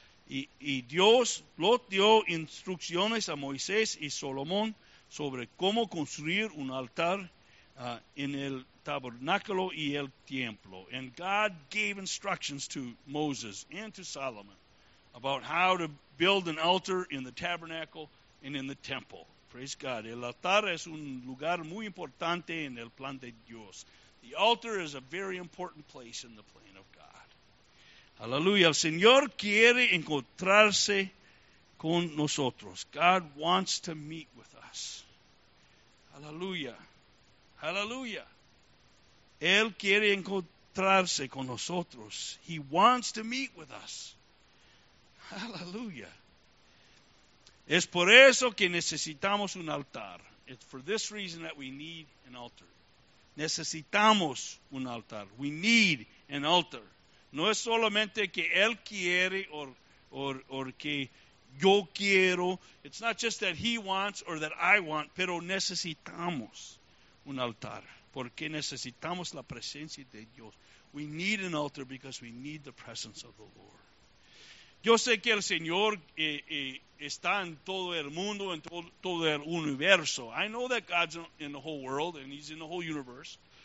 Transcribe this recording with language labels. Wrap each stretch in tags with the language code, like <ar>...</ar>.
<es>Y Dios lo dio instrucciones a Moisés y Salomón sobre cómo construir un altar en el tabernáculo y el templo.</es> <en>And God gave instructions to Moses and to Solomon about how to build an altar in the tabernacle and in the temple. Praise God.</en> <es>El altar es un lugar muy importante en el plan de Dios.</es> <en>The altar is a very important place in the plan of God.</en> <es>Aleluya. El Señor quiere encontrarse con nosotros.</es> <en>God wants to meet with us. Aleluya. Aleluya.</en> <es>Él quiere encontrarse con nosotros.</es> <en>He wants to meet with us. Aleluya.</en> <es>Es por eso que necesitamos un altar.</es> <en>It's for this reason that we need an altar.</en> <es>Necesitamos un altar.</es> <en>We need an altar.</en> <es>No es solamente que Él quiere or que yo quiero.</es> <en>It's not just that He wants or that I want,</en> <es>pero necesitamos un altar. Porque necesitamos la presencia de Dios.</es> <en>We need an altar because we need the presence of the Lord.</en> <es>Yo sé que el Señor está en todo el mundo, en todo el universo.</es> <en>I know that God's in the whole world and He's in the whole universe.</en>